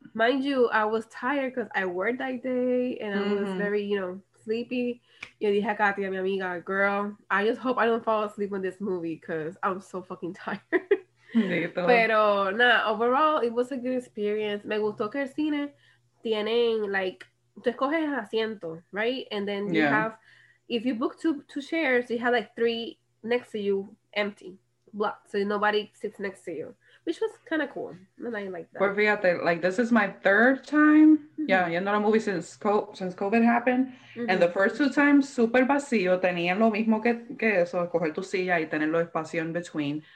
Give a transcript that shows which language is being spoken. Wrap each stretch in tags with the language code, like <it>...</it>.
<en>Mind you, I was tired because I worked that day and I was very, you know, sleepy.</en> <es>Yo dije a Katia, mi amiga,</es> <en>girl, I just hope I don't fall asleep on this movie because I'm so fucking tired.</en> <es>Pero,</es> <en>nah, overall, it was a good experience.</en> <es>Me gustó que el cine tienen, like, tú escoges el asiento, right?</es> <en>And then you have, if you book two chairs, you have, like, three next to you, empty, blocked, so nobody sits next to you. Which was kind of cool. I like that.</en> <es>Pues fíjate,</es> <en>like, this is my third time. Mm-hmm. Yeah,</en> <es>yendo a</es> <en>movie since COVID happened. Mm-hmm. And the first two times,</en> <es>super vacío. Tenían lo mismo que eso, coger tu silla y tener los espacios</es> <en>in between.</en>